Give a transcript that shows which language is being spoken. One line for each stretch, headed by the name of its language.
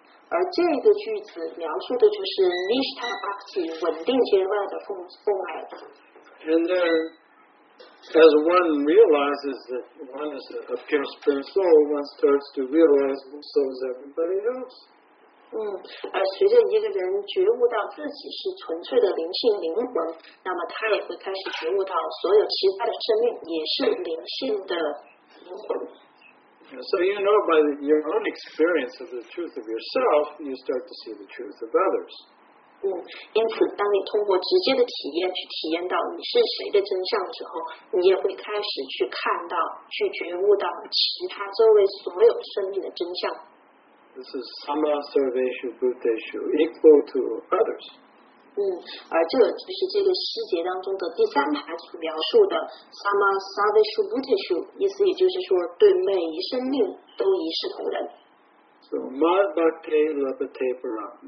Chinese: 而这个句子描述的就是 Nishtha Bhakti 稳定阶段的奉爱。
English: And then as one realizes that one is a pure spirit soul, one starts to realize so is everybody else.
Chinese: 随着一个人觉悟到自己是纯粹的灵性灵魂，那么他也会开始觉悟到所有其他的生命也是灵性的灵魂。
English: So you know by your own experience of the truth of yourself, you start to see the truth of others.
Chinese: 因此当你通过直接的体验去体验到你是谁的真相之后，你也会开始去看到，去觉悟到其他周围所有生命的真相。
English: This is
Sanskrit: sama sarveshu bhuteshu
English: equal to others.
Chinese: 而这就是这个细节当中的第三排所描述的
Sanskrit: sama sarveshu bhuteshu，
Chinese: 意思也就是说对每一生命都一视同仁。
Sanskrit: So madhate labhate param.